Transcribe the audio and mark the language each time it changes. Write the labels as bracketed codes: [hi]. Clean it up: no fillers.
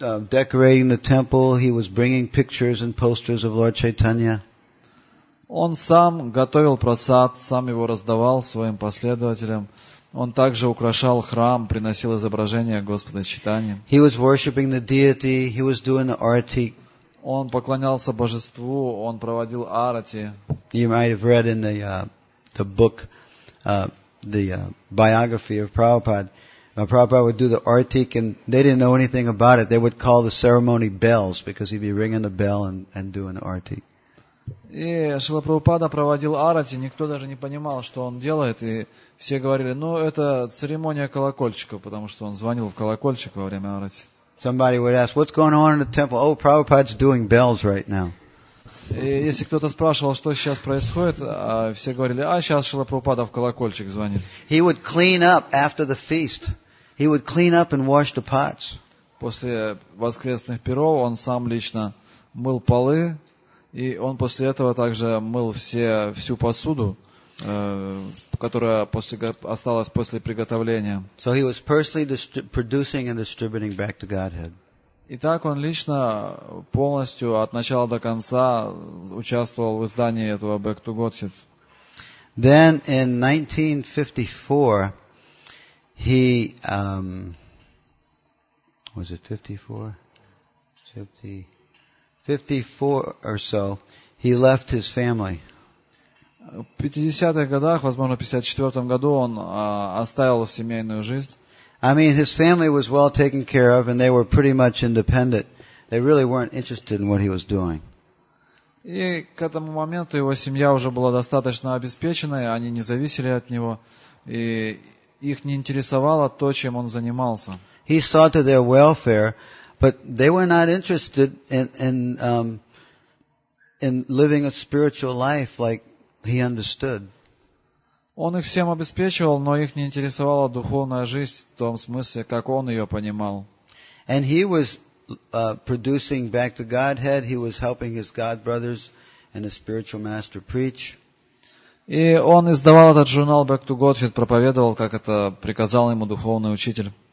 [en] Decorating the temple, he was bringing pictures and posters of Lord Chaitanya. [ru] Он сам готовил просад, сам его раздавал своим последователям. Он также украшал храм, приносил изображения Господа Чайтаньи. [en] He was worshiping the deity. He was doing the arati. [ru] Он поклонялся божеству. Он проводил арати. [en] You might have read in the book, biography of Prabhupada. Prabhupada would do the artik and they didn't know anything about it. They would call the ceremony bells because he'd be ringing the bell and doing the artik. [ru] И Шрила Прабхупада проводил арати, никто даже не понимал, что он делает, и все говорили, ну, это церемония колокольчиков, потому что он звонил в колокольчик во время арати. [en] Somebody would ask, what's going on in the temple? Oh, Prabhupada's doing bells right now. [ru] И если кто-то спрашивал, что сейчас происходит, все говорили, а сейчас Шрила Прабхупада в колокольчик звонит. [en] He would clean up after the feast. He would clean up and wash the pots. [ru] После воскресных пиров он сам лично мыл полы, и он после этого также мыл всю посуду, которая осталась после приготовления. [en] So he was personally producing and distributing back to Godhead. [ru] И так он лично полностью от начала до конца участвовал в издании этого Back to Godhead. [en] Then in 1954, he left his family. [ru] В 50-х годах, возможно, в 54-м году он оставил семейную жизнь. [en] I mean, his family was well taken care of, and they were pretty much independent. They really weren't interested in what he was doing. [ru] И к этому моменту его семья уже была достаточно обеспеченной, они не зависели от него, и их не интересовало то, чем он занимался. [en] He saw to their welfare, but they were not interested in living a spiritual life like he understood. [ru] Он их всем обеспечивал, но их не интересовала духовная жизнь в том смысле, как он ее понимал. [en] And he was producing back to Godhead. He was helping his God brothers and his spiritual master preach. [ru] И он издавал этот журнал Back to Godhead, проповедовал, как это приказал ему духовный учитель.